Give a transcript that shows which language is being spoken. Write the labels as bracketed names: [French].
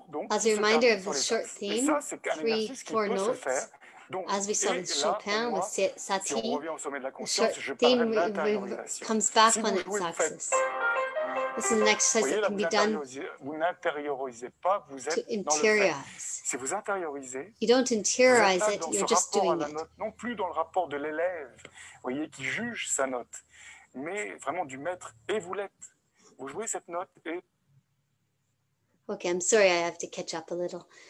[English] As a reminder of the short theme, three, four notes, as we saw with Chopin, with Satie, the short theme comes back on its axis. This is an exercise that can be done to interiorize. You don't interiorize it, you're just doing it. [French] Non plus dans le rapport de l'élève, voyez, qui juge sa note, mais vraiment du maître, et vous l'êtes. Vous jouez cette note et... [English] Okay, I'm sorry, I have to catch up a little.